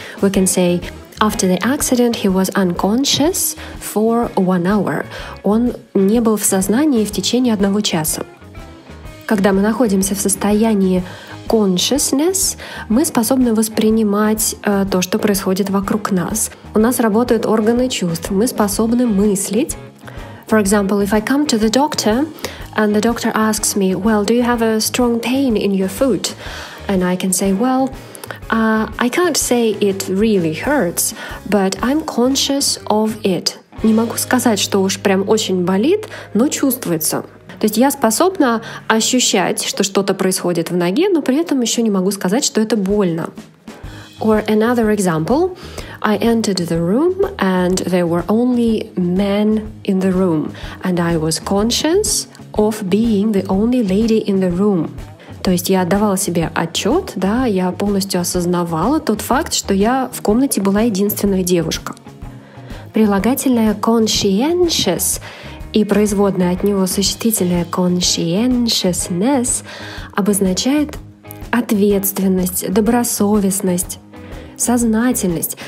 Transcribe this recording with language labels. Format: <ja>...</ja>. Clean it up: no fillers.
<en>We can say, after the accident he was unconscious for one hour.</en> <ru>Он не был в сознании в течение одного часа. Когда мы находимся в состоянии consciousness, мы способны воспринимать то, что происходит вокруг нас. У нас работают органы чувств, мы способны мыслить.</ru> <en>For example, if I come to the doctor and the doctor asks me, well, do you have a strong pain in your foot? And I can say, well, I can't say it really hurts, but I'm conscious of it.</en> <ru>Не могу сказать, что уж прям очень болит, но чувствуется. То есть я способна ощущать, что что-то происходит в ноге, но при этом еще не могу сказать, что это больно.</ru> <en>Or another example, I entered the room and there were only men in the room, and I was conscious of being the only lady in the room.</en> <ru>То есть я отдавала себе отчет, да, я полностью осознавала тот факт, что я в комнате была единственная девушка. Прилагательное conscientious и производное от него существительное conscientiousness обозначает ответственность, добросовестность, сознательность.</ru>